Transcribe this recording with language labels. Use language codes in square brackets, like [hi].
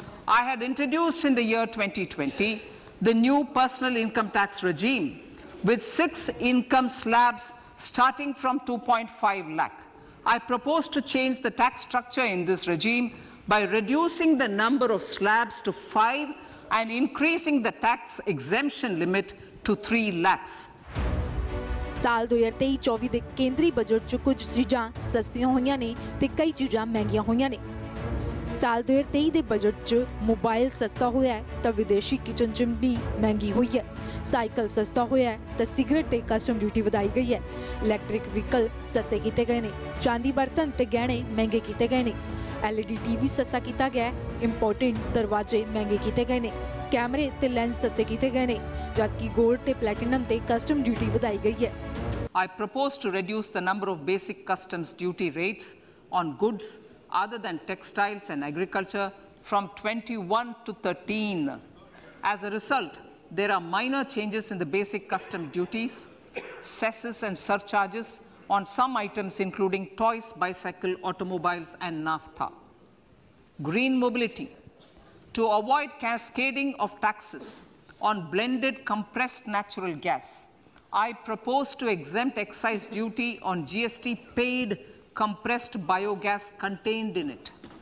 [en] I had introduced in the year 2020 the new personal income tax regime with 6 income slabs starting from 2.5 lakh. I propose to change the tax structure in this regime by reducing the number of slabs to 5 and increasing the tax exemption limit to 3 lakhs. [pa] ਸਾਲ 2023-24 ਦੇ ਕੇਂਦਰੀ budget ਚ ਕੁਝ ਚੀਜ਼ਾਂ ਸਸਤੀਆਂ ਹੋਈਆਂ ਨੇ ਤੇ ਕਈ ਚੀਜ਼ਾਂ ਮਹਿੰਗੀਆਂ ਹੋਈਆਂ ਨੇ। ਸਾਲ 2023 ਦੇ ਬਜਟ ਚ ਮੋਬਾਈਲ ਸਸਤਾ ਹੋਇਆ ਹੈ ਤਾਂ ਵਿਦੇਸ਼ੀ ਕਿਚਨ ਚਿਮਨੀ ਮਹਿੰਗੀ ਹੋਈ ਹੈ। ਸਾਈਕਲ ਸਸਤਾ ਹੋਇਆ ਤਾਂ ਸਿਗਰਟ ਤੇ ਕਸਟਮ ਡਿਊਟੀ ਵਧਾਈ ਗਈ ਹੈ। ਇਲੈਕਟ੍ਰਿਕ ਵਹੀਕਲ ਸਸਤੇ ਕੀਤੇ ਗਏ ਨੇ। ਚਾਂਦੀ ਬਰਤਨ ਤੇ ਗਹਿਣੇ ਮਹਿੰਗੇ ਕੀਤੇ ਗਏ ਨੇ। ਐਲਈਡੀ ਟੀਵੀ ਸਸਤਾ ਕੀਤਾ ਗਿਆ। ਇੰਪੋਰਟੈਂਟ ਦਰਵਾਜ਼ੇ ਮਹਿੰਗੇ ਕੀਤੇ ਗਏ ਨੇ। ਕੈਮਰੇ ਤੇ ਲੈਂਸ ਸਸਤੇ ਕੀਤੇ ਗਏ ਨੇ, ਜਦਕਿ ਗੋਲਡ ਤੇ ਪਲੈਟੀਨਮ ਤੇ ਕਸਟਮ ਡਿਊਟੀ ਵਧਾਈ ਗਈ ਹੈ। [en] I propose to reduce the number of basic customs duty rates on goods other than textiles and agriculture from 21 to 13. As a result, there are minor changes in the basic custom duties, cesses and surcharges on some items including toys, bicycle, automobiles and naphtha. Green mobility. To avoid cascading of taxes on blended compressed natural gas, I propose to exempt excise duty on GST paid compressed biogas contained in it.